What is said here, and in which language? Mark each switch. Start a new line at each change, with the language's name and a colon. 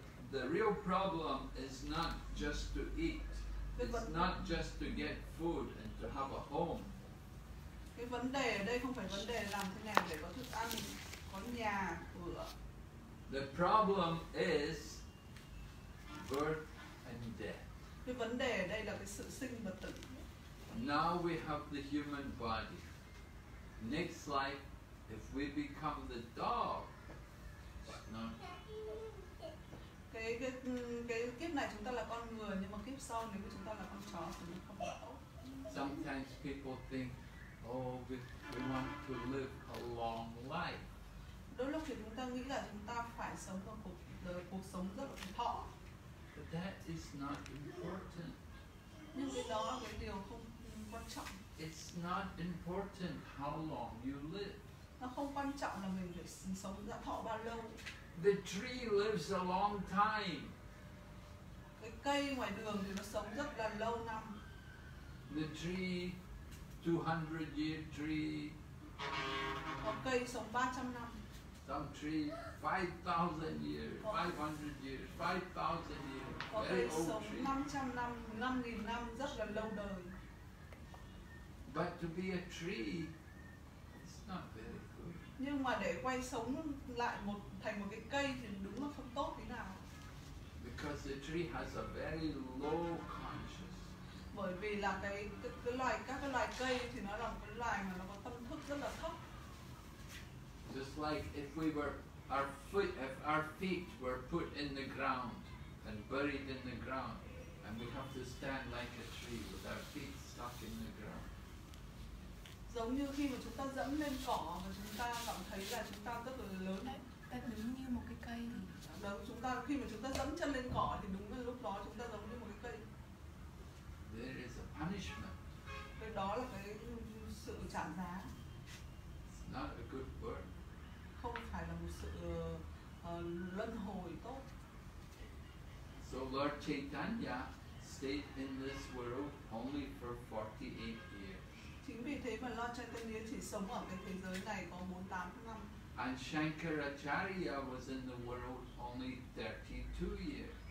English: The real problem is not just to eat. It's not just to get food and to have a home.
Vietnamese: Cái vấn đề ở đây không phải vấn đề làm thế nào để có thức ăn, có nhà cửa.
English: The problem is birth and death.
Vietnamese: Cái vấn đề ở đây là cái sự sinh và tử.
English: Now we have the human body. Next life, if we become the dog.
Vietnamese: Cái kiếp này chúng ta là con người nhưng mà kiếp sau nếu mà chúng ta là con chó thì nó không tốt.
English: Sometimes people think, oh, we want to live a long life.
Vietnamese: Đôi lúc thì chúng ta nghĩ là chúng ta phải sống một cuộc sống rất là thọ.
English: But that is not important.
Vietnamese: Nhưng cái đó cái điều không quan trọng.
English: It's not important how long you live.
Vietnamese: Nó không quan trọng là mình phải sống dạ thọ bao lâu.
English: The tree lives a long time.
Vietnamese: Cái cây ngoài đường thì nó sống rất là lâu năm.
English: The tree, 200 year tree.
Vietnamese: Có cây sống 300 năm.
English: Some tree, 5,000 years, 500 years, 5,000 years.
Vietnamese: Có cây sống 500 năm, 5,000 năm, rất là lâu đời.
English: But to be a tree, it's not very.
Vietnamese: Nhưng mà để quay sống lại một thành một cái cây thì đúng là không tốt thế nào.
English: Because the tree has a very low conscious.
Vietnamese: Bởi vì là cái loài các cái loài cây thì nó là cái loài mà nó có tâm thức rất là thấp.
English: Just like if we were if our feet were put in the ground and buried in the ground and we have to stand like a tree with our feet stuck in the ground.
Vietnamese: Giống như khi mà chúng ta dẫm lên cỏ và chúng ta cảm thấy là chúng ta rất là lớn. Ta đứng như một cái cây. Đúng, chúng ta khi mà chúng ta dẫm chân lên cỏ thì đúng là lúc đó chúng ta giống như một cái cây.
English: There is a punishment.
Vietnamese: Cái đó là cái sự trả giá.
English: It's not a good word.
Vietnamese: Không phải là một sự luân hồi tốt.
English: So Lord Chaitanya stayed in this world only for 48 years.
Vietnamese: Chính vì thế mà Lord Chaitanya chỉ sống ở cái thế giới này có 48 năm.
English: And Shankaracharya was in the world only 32 years.